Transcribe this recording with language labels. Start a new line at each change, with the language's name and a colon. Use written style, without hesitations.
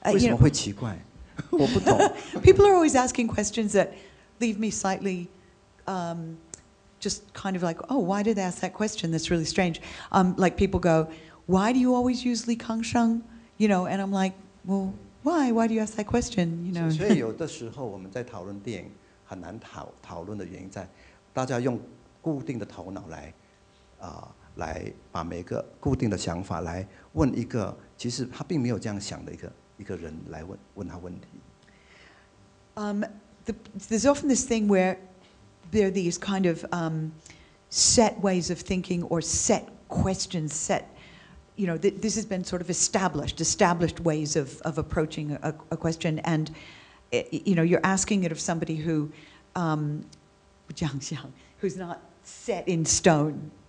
Chinese: 其实现在很多人对每一件事情都有问题，包括为什么你要用李康生用那么久，他们也觉得很奇怪，为什么会奇怪？我不懂。
English: People are always asking questions that leave me slightly, just kind of like, oh, why did they ask that question? That's really strange. Like people go. Why do you always use Li Kangsheng? You know, and I'm like, well, why? Why do you ask that question? You know.
Chinese: 所以有的时候我们在讨论电影,很难讨论的原因在，大家用固定的头脑来，来把每个固定的想法来问一个，其实他并没有这样想的一个人来问他问题。
English: There's often this thing where there are these kind of set ways of thinking or set questions, set, you know, this has been sort of established ways of approaching a question. And, you know, you're asking it of somebody who, who's not set in stone.